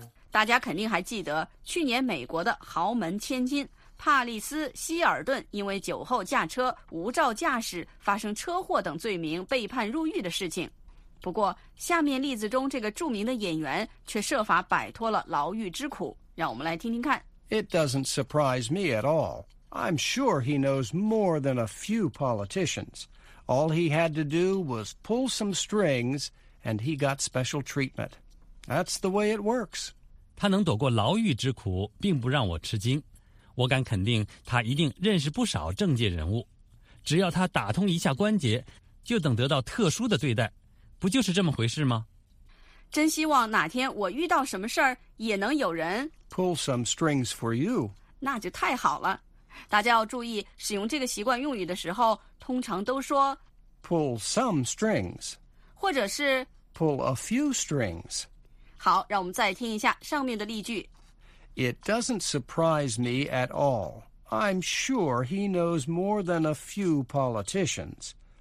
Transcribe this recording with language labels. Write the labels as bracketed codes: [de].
[zh] 大家肯定还记得去年美国的豪门千金帕利斯·希尔顿因为酒后驾车、无照驾驶、发生车祸等罪名被判入狱的事情。不过，下面例子中这个著名的演员却设法摆脱了牢狱之苦。让我们来听听看。 [en] It doesn't surprise me at all. I'm sure he knows more than a few politicians. All he had to do was pull some strings, and he got special treatment. That's the way it works. [zh] 他能躲过牢狱之苦，并不让我吃惊。我敢肯定他一定认识不少政界人物，只要他打通一下关节，就等得到特殊的对待，不就是这么回事吗？真希望哪天我遇到什么事儿，也能有人 [en] pull some strings for you， [zh] 那就太好了。大家要注意，使用这个习惯用语的时候，通常都说 [en] pull some strings， [zh] 或者是 [en] pull a few strings。 [zh] 好，让我们再听一下上面的例句。 [en] It doesn't surprise me at all. I'm sure he knows more than a few politicians.